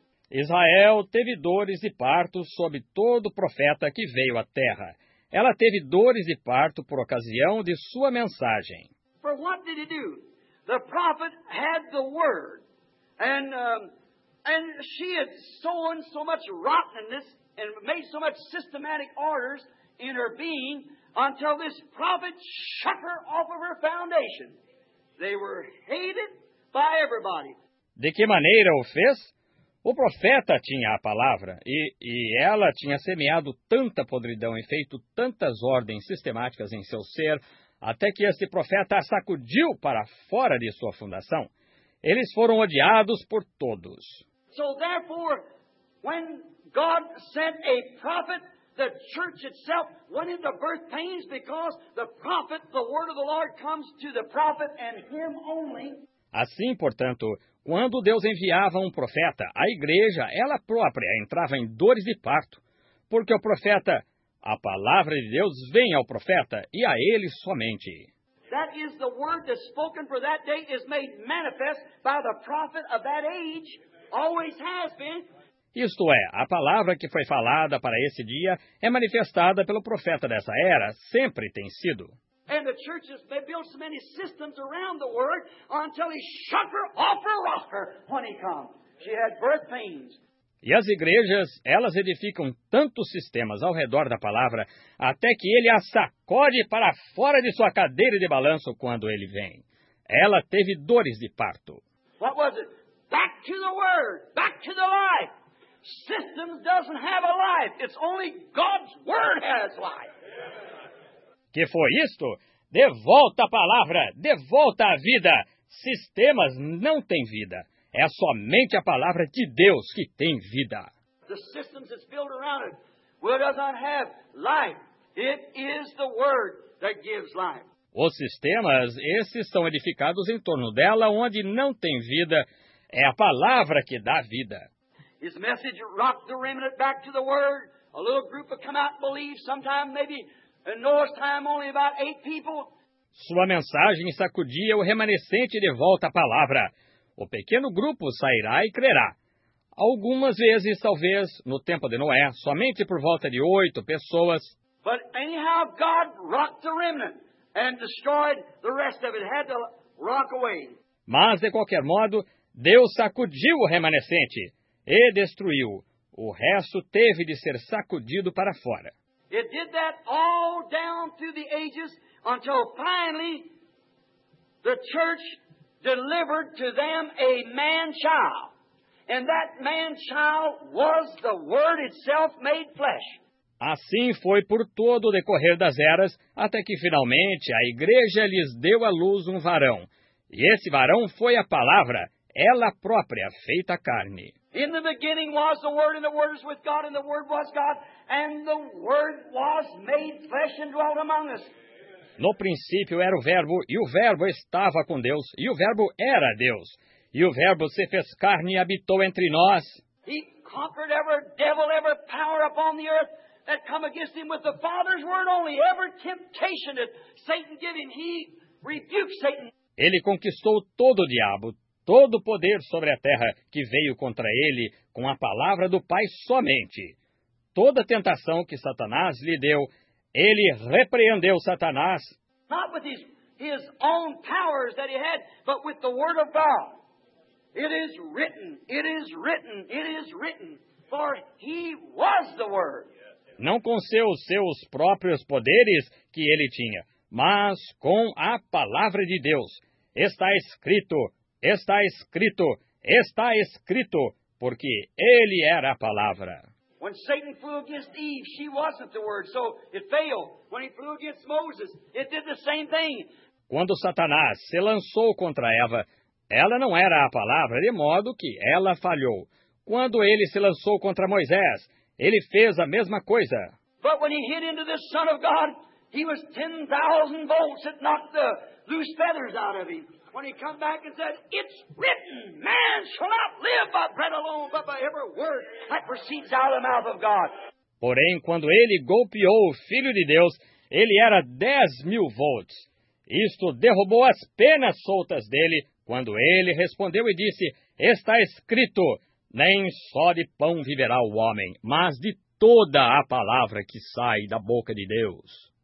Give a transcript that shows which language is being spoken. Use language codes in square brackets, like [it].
[pt] Israel teve dores e partos sob todo profeta que veio à terra. Ela teve dores e parto por ocasião de sua mensagem. [en] For what did he do? The prophet had the word. And she had sown so much rottenness and made so much systematic orders in her being until this prophet shut her off of her foundation. They were hated by everybody. [pt] De que maneira o fez? O profeta tinha a palavra, e ela tinha semeado tanta podridão e feito tantas ordens sistemáticas em seu ser, até que este profeta a sacudiu para fora de sua fundação. Eles foram odiados por todos. [en] So therefore, when God sent a prophet, the church itself went into birth pains because the prophet, the word of the Lord comes to the prophet and him only. [pt] Assim, portanto, quando Deus enviava um profeta, a igreja, ela própria, entrava em dores de parto, porque o profeta, A palavra de Deus vem ao profeta e a ele somente. [en] That is the word that's spoken for that day is made manifest by the prophet of that age, always has been. [pt] Isto é, a palavra que foi falada para esse dia é manifestada pelo profeta dessa era, sempre tem sido. [en] And the churches, they built so many systems around the word until he shook her off her rocker when he comes. She had birth pains. [pt] E as igrejas, elas edificam tantos sistemas ao redor da palavra, até que ele a sacode para fora de sua cadeira de balanço quando ele vem. Ela teve dores de parto. [en] What was it? Back to the word, back to the life. Systems doesn't have a life. It's only God's word has life. [pt] Que foi isto? De volta a palavra, de volta a vida. Sistemas não têm vida. É somente a palavra de Deus que tem vida. [en] The systems that's built around it. Word does not have life. It is the word that gives life. [pt] Os sistemas, esses são edificados em torno dela, onde não tem vida. É a palavra que dá vida. [en] His message rocked the remnant back to the word. A little group would come out and believe sometime, maybe in Noah's time, only about 8 people. [pt] Sua mensagem sacudia o remanescente de volta à palavra. O pequeno grupo sairá e crerá. Algumas vezes, talvez, no tempo de Noé, somente por volta de 8 pessoas. [en] But anyhow, God rocked the remnant and destroyed the rest of it. Had to rock away. [pt] Mas, de qualquer modo, Deus sacudiu o remanescente e destruiu. O resto teve de ser sacudido para fora. [en] It did that all down through the ages until finally the church delivered to them a man-child. And that man-child was the word itself made flesh. [pt] Assim foi por todo o decorrer das eras, até que finalmente a igreja lhes deu à luz um varão. E esse varão foi a palavra, ela própria, feita carne. [en] In the beginning was the word, and the word was with God, and the word was God, and the word was made flesh and dwelt among us. [pt] No princípio era o Verbo, e o Verbo estava com Deus, e o Verbo era Deus. E o Verbo se fez carne e habitou entre nós. [en] He conquered every devil, every power upon the earth that come against him with the Father's word only. Every temptation that Satan gave him, he rebuked Satan. [pt] Ele conquistou todo o diabo, todo o poder sobre a terra que veio contra ele com a palavra do Pai somente. Toda tentação que Satanás lhe deu, ele repreendeu Satanás. [en] Not with his own powers that he had, but with the word of God. It is written, it is written, it is written, for he was the word. [pt] Não com seus próprios poderes que ele tinha, mas com a palavra de Deus. Está escrito, está escrito, está escrito, porque ele era a palavra. [en] When Satan flew against Eve, she wasn't the word, so it failed. When he flew against Moses, it did the same thing. [pt] Quando Satanás se lançou contra Eva, ela não era a palavra, de modo que ela falhou. Quando ele se lançou contra Moisés, ele fez a mesma coisa. [en] But when he hit into the Son of God, he was 10,000 volts that knocked the loose feathers out of him. When he came back and said, it's written, man shall not live by bread alone, but by every word that proceeds out of the mouth of God. [pt] Porém, quando ele golpeou o Filho de Deus, ele era 10,000 volts. Isto derrubou as penas soltas dele, quando ele respondeu e disse, está escrito, nem só de pão viverá o homem, mas de toda a palavra que sai da boca de Deus.